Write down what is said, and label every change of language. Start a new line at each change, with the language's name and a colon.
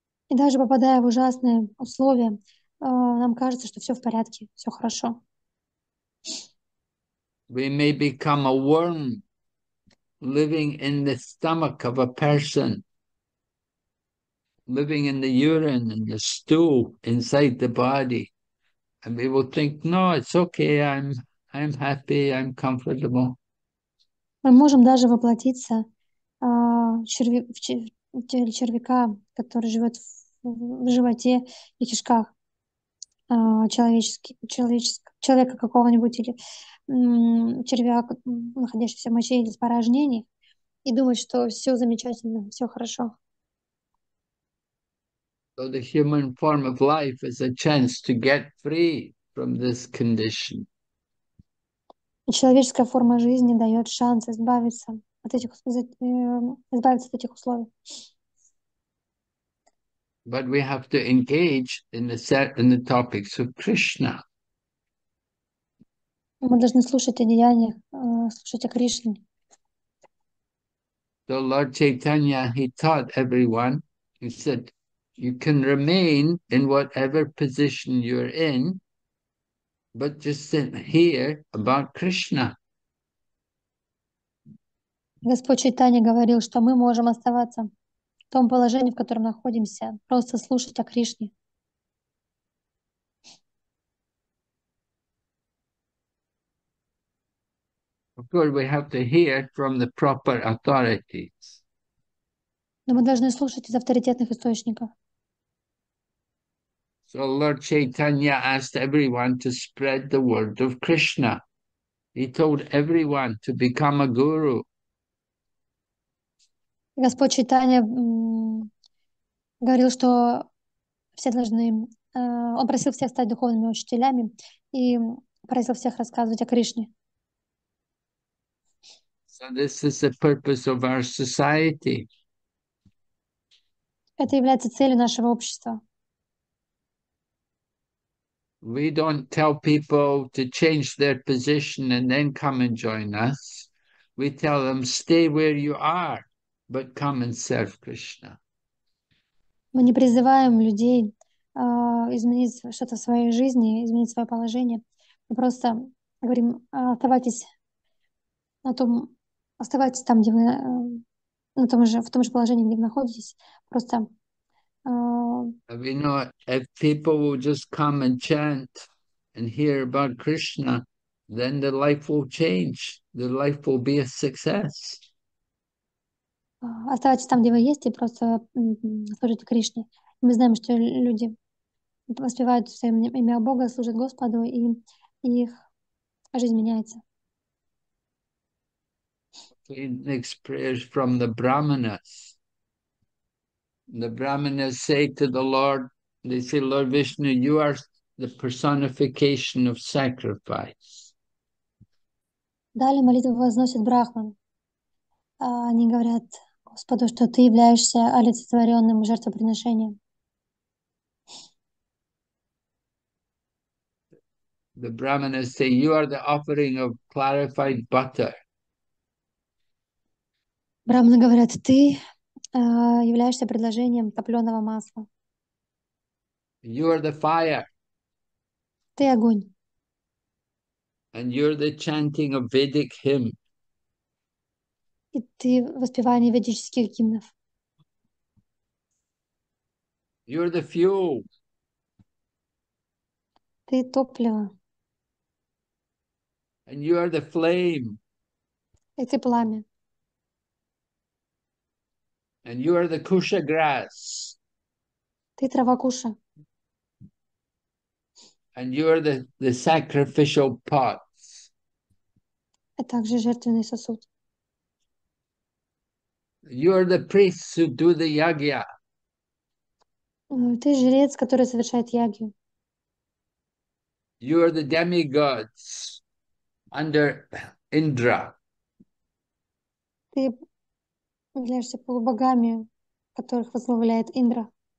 Russian: И даже попадая в ужасные условия, нам кажется, что все в порядке, все хорошо.
English: We may become a worm living in the stomach of a person, living in the urine and the stool inside the body. And we will think, no, it's okay, I'm happy, I'm comfortable.
Russian: Мы можем даже воплотиться в теле червяка, который живет в животе и кишках человека какого-нибудь или червяк, находящийся в моче или в испражнениях, и думать, что все замечательно, все хорошо.
English: So the human form of life is a chance to get free from this condition.
Russian: Человеческая форма жизни дает шанс избавиться от этих условий.
English: But we have to engage in the topics of Krishna.
Russian: Мы должны слушать о деяниях, слушать о Кришне.
English: So Lord Chaitanya, he taught everyone, he said, You can remain in whatever position you're in, but just sit here about Krishna.
Russian: Господь Чайтанья говорил, что мы можем оставаться в том положении, в котором находимся, просто слушать о Кришне.
English: Of course, we have to hear from the proper authorities.
Russian: Но мы должны слушать из авторитетных источников.
English: So Lord Chaitanya asked everyone to spread the word of Krishna. He told everyone to become a guru.
Russian: Господь Чайтанья говорил, что все должны. Он просил всех стать духовными учителями и просил всех рассказывать о Кришне.
English: So this is the purpose of our society.
Russian: Это является целью нашего общества.
English: We don't tell people to change their position and then come and join us. We tell them, stay where you are, but come and serve Krishna.
Russian: Мы не призываем людей изменить что-то в своей жизни, изменить свое положение. Мы просто говорим, оставайтесь там, где вы, в том же положении, где вы находитесь. Просто
English: We know if people will just come and chant and hear about Krishna, then the life will change. The life will be a success.
Russian: оставайтесь там, где вы есть, и просто служите Кришне. Мы знаем, что люди воспевают свое имя Бога, служат Господу, и их жизнь меняется.
English: Okay, next prayer is from the Brahmanas. The Brahmanas say to the Lord, they say, Lord Vishnu, you are the personification of sacrifice.
Russian: Далее молитву возносит Брахман. Они говорят Господу, что ты являешься олицетворенным жертвоприношением.
English: The Brahmanas say, you are the offering of clarified butter.
Russian: Брахманы говорят, ты являешься предложением топленого масла.
English: You are the fire.
Russian: Ты огонь.
English: And you're the chanting of Vedic hymn.
Russian: И ты воспевание ведических гимнов.
English: You're the fuel.
Russian: Ты топливо.
English: And you are the flame.
Russian: И ты пламя.
English: And you are the kusha grass.
Russian: Ты трава куша.
English: And you are the sacrificial pots.
Russian: А также жертвенный сосуд.
English: You are the priests who do the yagya.
Russian: Ты жрец, который совершает ягью.
English: You are the demigods under Indra.
Russian: Ты являешься полубогами, которых возглавляет Индра.